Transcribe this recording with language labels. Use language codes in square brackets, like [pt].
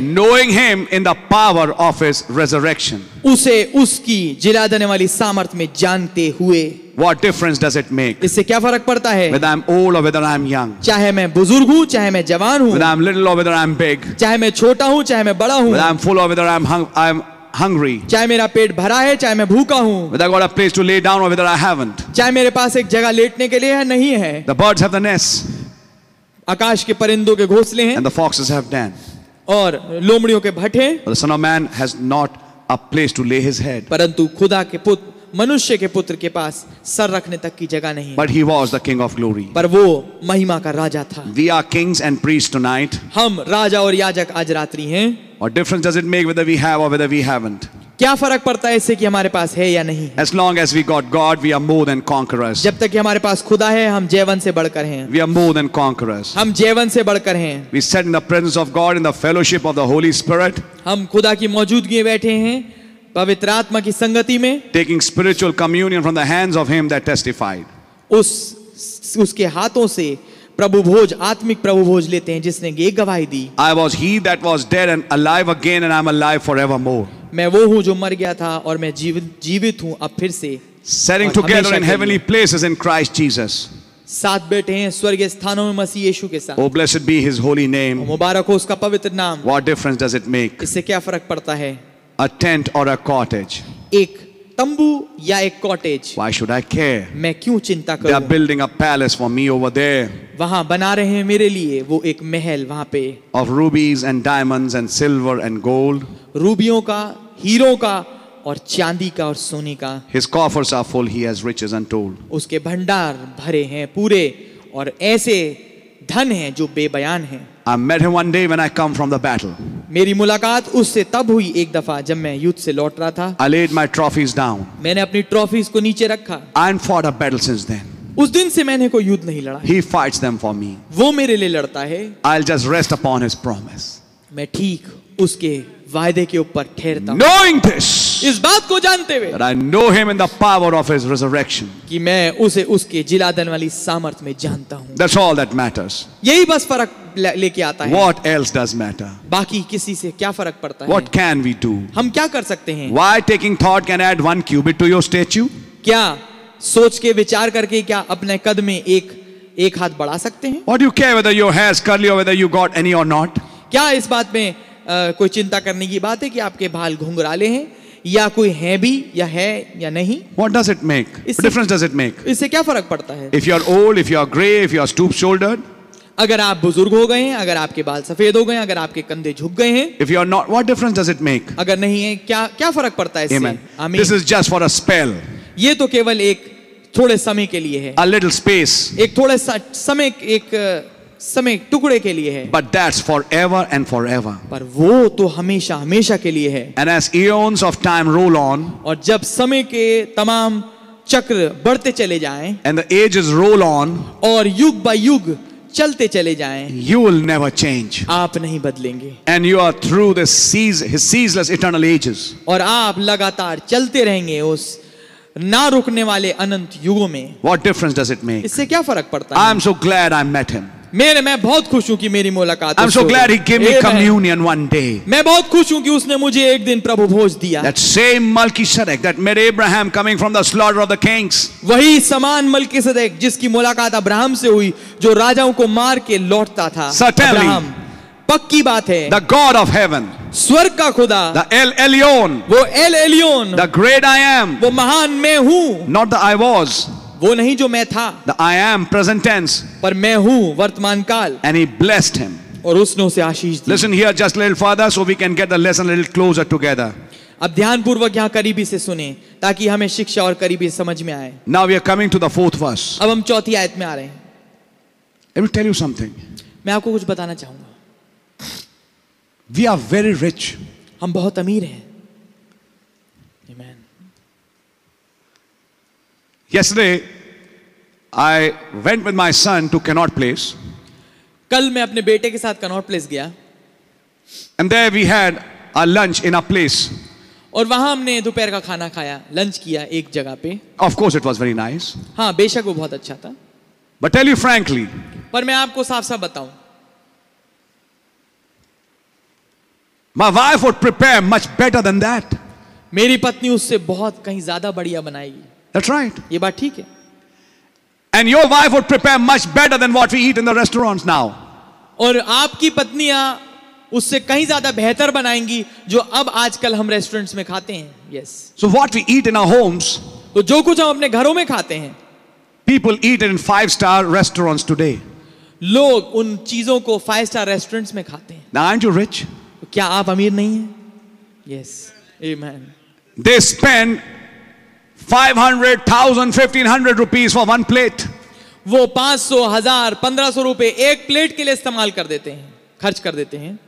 [en] Knowing him in the power of his resurrection. [hi] उसे उसकी जिला देने वाली सामर्थ में जानते हुए. [en] What difference does it make? [hi] इससे क्या फर्क पड़ता है? [en] Whether I'm old or whether I'm young. [hi] चाहे मैं बुजुर्ग हूँ, चाहे मैं जवान हूँ. [en] Whether I'm little or whether I'm big. [hi] चाहे मैं छोटा हूँ, चाहे मैं बड़ा हूँ. [en] Whether I'm full or whether I'm hungry. [hi] चाहे मेरा पेट भरा है, चाहे मैं भूखा हूँ. [en] Whether I got a place to lay down or whether I haven't. [hi] चाहे मेरे पास एक जगह लेटने के लिए है, नहीं है. [en] The birds have the nest. [hi] आकाश के परिंदों के घोंसले हैं. [en] And the foxes have den. [hi] और लोमड़ियों के भट्ठे. [en] The son of man has not a place to lay his head. [hi] परंतु खुदा के पुत्र मनुष्य के पुत्र के पास सर रखने तक की जगह नहीं. [en] But he was the king of glory. [hi] पर वो महिमा का राजा था. [en] We are kings and priests tonight. [hi] हम राजा और याजक आज रात्रि हैं. [en] What difference does it make whether we have or whether we haven't? [hi] क्या फर्क पड़ता है इससे कि हमारे पास है या नहीं? [en] As long as we got God, we are more than conquerors. [hi] जब तक कि हमारे पास खुदा है, हम जयवंत से बढ़कर हैं. [en] We are more than conquerors. [hi] हम जयवंत से बढ़कर हैं. [en] We sit in the presence of God in the fellowship of the Holy Spirit. [hi] हम खुदा की मौजूदगी में बैठे हैं, पवित्र आत्मा की संगति में. [en] Taking spiritual communion from the hands of Him that testified. [hi] उसके हाथों से प्रभु भोज, आत्मिक प्रभु भोज लेते हैं जिसने ये गवाही दी. [en] I was he that was dead and alive again and I'm alive forevermore. [hi] मैं वो हूँ जो मर गया था और मैं जीवित हूँ अब फिर से. [en] Sitting together in heavenly places in Christ Jesus. [hi] साथ बैठे हैं स्वर्गीय स्थानों में मसीह यीशु के साथ. [en] Oh blessed be his holy name. [hi] मुबारक हो उसका पवित्र नाम. [en] What difference does it make? [hi] इससे क्या फर्क पड़ता है? [en] A tent or a cottage. [hi] एक तंबू या एक cottage. [en] Why should I care? [hi] मैं क्यों चिंता करूं? [en] They are building a palace for me over there. [hi] वहां बना रहे हैं मेरे लिए वो एक महल वहां पे. [en] Of rubies and diamonds and silver and gold. [hi] रूबियों का, हीरों का और चांदी का और सोने का. [en] His coffers are full, he has riches untold. [hi] उसके भंडार भरे हैं पूरे और ऐसे धन हैं जो बेबयान हैं. [en] I met him one day when I come from the battle. [hi] मेरी मुलाकात उससे तब हुई एक दफा जब मैं युद्ध से लौट रहा था. [en] I laid my trophies down. [hi] मैंने अपनी ट्रॉफीज को नीचे रखा. [en] I haven't fought a battle since then. [hi] उस दिन से मैंने कोई युद्ध नहीं लड़ा. [en] He fights them for me. [hi] वो मेरे लिए लड़ता है. [en] I'll just rest upon his promise. [hi] मैं ठीक उसके वायदे के ऊपर ठहरता हूं. [en] Knowing this. [hi] इस बात को जानते हुए. [en] That I know him in the power of his resurrection. [hi] कि मैं उसे उसके जिलादन वाली सामर्थ में जानता हूं. [en] That's all that matters. [hi] यही बस फर्क लेके आता है. [en] What else does matter? [hi] बाकी किसी से क्या फर्क पड़ता है? [en] What can we do? [hi] हम क्या कर सकते हैं? [en] Why taking thought can add one cubit to your statue? [hi] क्या सोच के विचार करके क्या अपने कद में एक हाथ बढ़ा सकते हैं? [en] What do you care whether your hair is curly or whether you got any or not? [hi] क्या इस बात में कोई चिंता करने की बात है कि आपके बाल घुंघराले हैं या कोई है भी या है या नहीं? [en] What does it make? What difference does it make? [hi] इससे क्या फर्क पड़ता है? [en] If you are old, if you are gray, if you are stoop-shouldered. [hi] अगर आप बुजुर्ग हो गए हैं, अगर आपके बाल सफेद हो गए हैं, अगर आपके कंधे झुक गए हैं. [en] If you are not, what difference does it make? [hi] अगर नहीं है, क्या फर्क पड़ता है? [en] Amen. This is just for a spell. [hi] ये तो केवल एक थोड़े समय के लिए है. [en] A little space. [hi] एक थोड़े समय, एक समय टुकड़े के लिए है. [en] But that's forever and forever. [hi] पर वो तो हमेशा हमेशा के लिए है. [en] And as eons of time roll on. [hi] और जब समय के तमाम चक्र बढ़ते चले जाएं. [en] And the ages roll on. [hi] और युग [en] by [hi] युग चलते चले जाएं. [en] You will never change. [hi] आप नहीं बदलेंगे. [en] And you are through the ceaseless eternal ages. [hi] और आप लगातार चलते रहेंगे उस ना रुकने वाले अनंत युगों में. [en] What difference does it make? [hi] इससे क्या फर्क पड़ता है? [en] I'm so glad I met him. [hi] मैं बहुत खुश हूं कि मेरी मुलाकात. [en] I'm so glad he gave me communion one day. [hi] मैं बहुत खुश हूं कि उसने मुझे एक दिन प्रभु भोज दिया. [en] That same Melchizedek that met Abraham coming from the slaughter of the kings. [hi] वही समान मल्किसदेक जिसकी मुलाकात अब्राहम से हुई जो राजाओं को मार के लौटता था. [en] Certainly, [hi] अब्राहम पक्की बात है. [en] The God of heaven. [hi] स्वर्ग का खुदा. [en] The El Elyon. [hi] वो El Elyon. [en] The great I am. [hi] वो महान मैं हूं. [en] Not the I was. [hi] वो नहीं जो मैं था. [en] The I am present tense. [hi] पर मैं हूं वर्तमान काल. [en] And he blessed him. [hi] और उसने उसे आशीष दी. [en] Listen here just little father so we can get the lesson a little closer together. [hi] अब ध्यान पूर्वक यहां करीबी से सुने ताकि हमें शिक्षा और करीबी समझ में आए. [en] Now we are coming to the fourth verse. [hi] अब हम चौथी आयत में आ रहे हैं. [en] Let me tell you something. [hi] मैं आपको कुछ बताना चाहूंगा. [en] We are very rich. [hi] हम बहुत अमीर हैं. Amen. [en] Yesterday, I went with my son to Cannot Place. [hi] कल मैं अपने बेटे के साथ Cannot Place गया. [en] And there we had our lunch in a place. [hi] और वहाँ हमने दोपहर का खाना खाया, लंच किया एक जगह पे. [en] Of course, it was very nice. [hi] हाँ, बेशक वो बहुत अच्छा था. [en] But tell you frankly. [hi] पर मैं आपको साफ साफ बताऊँ. [en] My wife would prepare much better than that. [hi] मेरी पत्नी उससे बहुत कहीं ज़्यादा बढ़िया बनाएगी. [en] That's right. [hi] ये बात ठीक है. [en] And your wife would prepare much better than what we eat in the restaurants now. [hi] और आपकी पत्नियां उससे कहीं ज्यादा बेहतर बनाएंगी जो अब आजकल हम रेस्टोरेंट्स में खाते हैं. [en] Yes. So what we eat in our homes. [hi] तो जो कुछ हम अपने घरों में खाते हैं. [en] People eat in five-star restaurants today. [hi] लोग उन चीजों को five-star रेस्टोरेंट्स में खाते हैं. [en] Now aren't you rich? [hi] क्या आप अमीर नहीं हैं? [en] Yes. Amen. They spend 500,000-1500 rupees for one plate. [hi] वो 500,000-1500 रुपए एक प्लेट के लिए इस्तेमाल कर देते हैं, खर्च कर देते हैं.